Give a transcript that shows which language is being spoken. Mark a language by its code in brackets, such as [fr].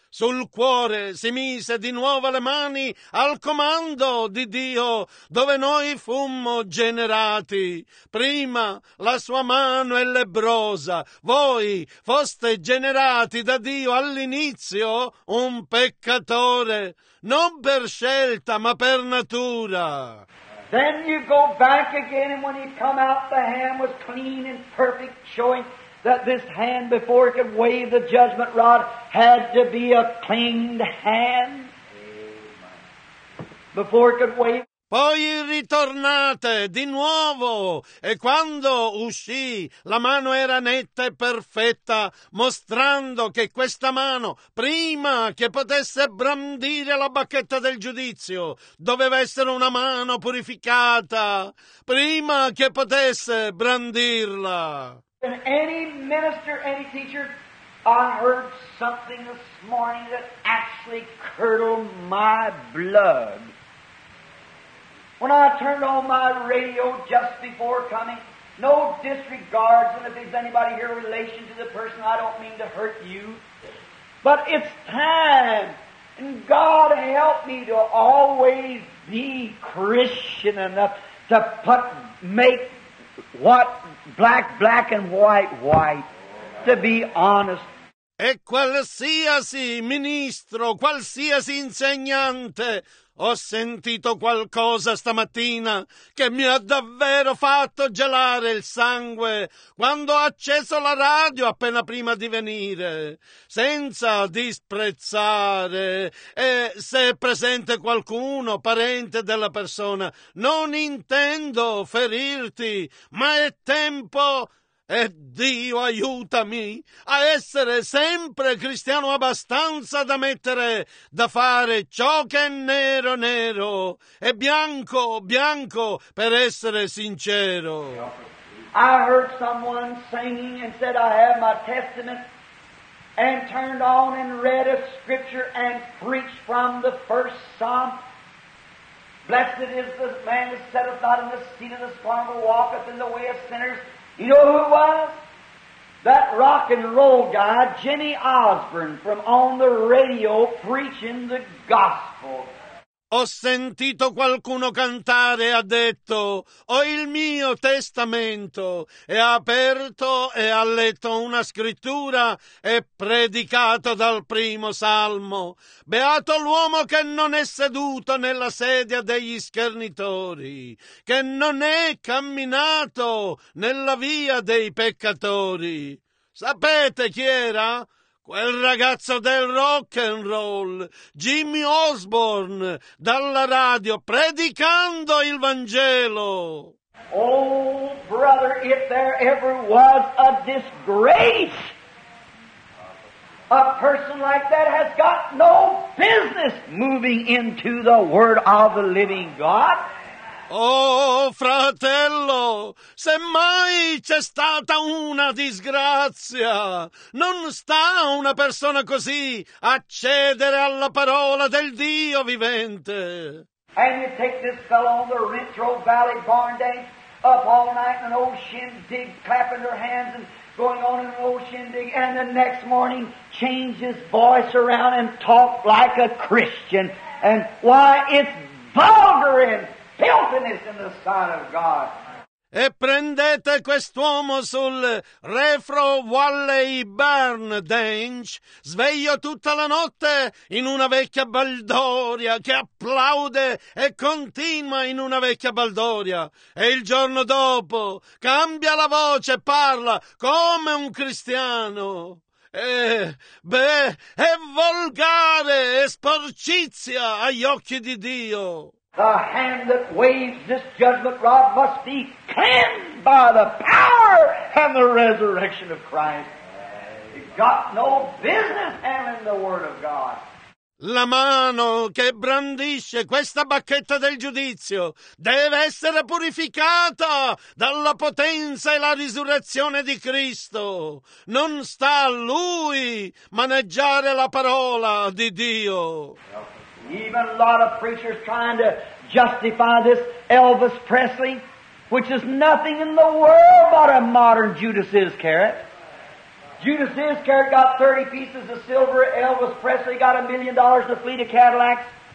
[it] Sul cuore si mise di nuovo le mani al comando di Dio, dove noi fummo generati. Prima la sua mano è lebbrosa, voi foste generati da Dio all'inizio un peccatore, non per scelta ma per natura. [en] Then you go back again, and when you come out, the hand was clean and perfect, showing that this hand, before it could wave the judgment rod, had to be a cleaned hand. Before it could wave. [it] Poi ritornate di nuovo, e quando uscì, la mano era netta e perfetta, mostrando che questa mano, prima che potesse brandire la bacchetta del giudizio, doveva essere una mano purificata, prima che potesse brandirla. [en] And any minister, any teacher, I heard something this morning that actually curdled my blood. When I turned on my radio just before coming, no disregards, and if there's anybody here in relation to the person, I don't mean to hurt you. But it's time, and God help me to always be Christian enough to make what black, black and white, white, to be honest. [it] E qualsiasi ministro, qualsiasi insegnante, ho sentito qualcosa stamattina che mi ha davvero fatto gelare il sangue quando ho acceso la radio appena prima di venire. Senza disprezzare, e se è presente qualcuno, parente della persona, non intendo ferirti, ma è tempo. E Dio aiutami a essere sempre cristiano abbastanza da fare ciò che è nero, nero, e bianco, bianco, per essere sincero. [en] I heard someone singing and said, I have my testament, and turned on and read a scripture and preached from the first psalm. Blessed is the man that setteth not in the seat of the scorner, but walketh in the way of sinners. You know who it was? That rock and roll guy, Jimmy Osborne, from on the radio preaching the gospel. [it] Ho sentito qualcuno cantare, ha detto, ho il mio testamento, e ha aperto e ha letto una scrittura e predicato dal primo salmo. Beato l'uomo che non è seduto nella sedia degli schernitori, che non è camminato nella via dei peccatori. Sapete chi era? Quel ragazzo del rock and roll, Jimmy Osborne, dalla radio predicando il Vangelo. [en] Oh, brother, if there ever was a disgrace, a person like that has got no business moving into the Word of the Living God. [it] Oh, fratello, se mai c'è stata una disgrazia, non sta una persona così a cedere alla parola del Dio vivente. [en] And you take this fellow on the Rentro Valley barn day, up all night in an old shindig, clapping their hands and going on in an old shindig, and the next morning change his voice around and talk like a Christian. And why, it's vulgar and filthiness in the sight of God. [it] E prendete quest'uomo sul Refro Valley Burn Dench, sveglio tutta la notte in una vecchia baldoria che applaude e continua in una vecchia baldoria. E il giorno dopo cambia la voce e parla come un cristiano. È volgare, è sporcizia agli occhi di Dio. [en] The hand that waves this judgment rod must be cleansed by the power and the resurrection of Christ. It got no business handling the Word of God. [it] La mano che brandisce questa bacchetta del giudizio deve essere purificata dalla potenza e la risurrezione di Cristo. Non sta a lui maneggiare la parola di Dio. [en] Even a lot of preachers trying to justify this Elvis Presley, which is nothing in the world but a modern Judas Iscariot. Judas Iscariot got 30 pieces of silver, Elvis Presley got $1 million to flee to Cadillac.